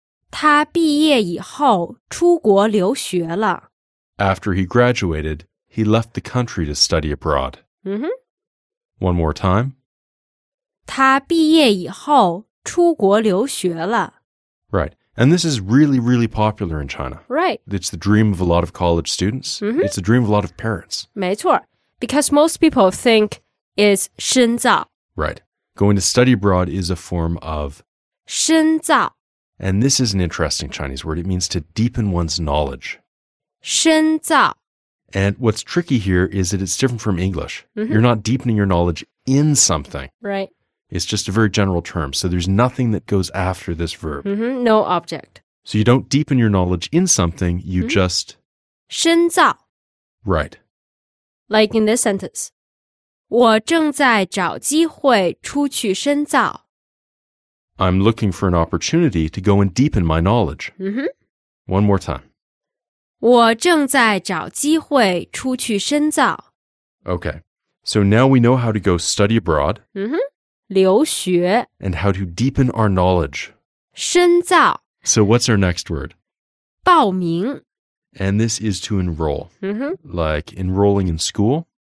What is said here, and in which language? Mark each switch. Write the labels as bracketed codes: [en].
[zh] 他毕业以后出国留学了。 [en] After he graduated, he left the country to study abroad. Mm-hmm. One more time. [zh] 他毕业以后出国留学了。 [en] Right. And this is really, really popular in China. Right. It's the dream of a lot of college students. Mm-hmm. It's the dream of a lot of parents. [zh] 没错。 [en] Because most people think it's 深造。 Right. Going to study abroad is a form of [zh] 深造。 [en] And this is an interesting Chinese word. It means to deepen one's knowledge. [zh] 深造。 [en] And what's tricky here is that it's different from English.、 Mm-hmm. You're not deepening your knowledge in something. Right. It's just a very general term. So there's nothing that goes after this verb.、 Mm-hmm. No object. So you don't deepen your knowledge in something. You、mm-hmm. just... [zh] 深造。 [en] Right. Like in this sentence. [zh] 我正在找机会出去深造。 [en] I'm looking for an opportunity to go and deepen my knowledge. Mm-hmm. One more time. [zh] 我正在找机会出去深造。 [en] Okay, so now we know how to go study abroad. [zh] Mm-hmm. 留学。 [en] And how to deepen our knowledge. [zh] 深造。 [en] So what's our next word? [zh] 报名。 [en] And this is to enroll. Mm-hmm. Like enrolling in school.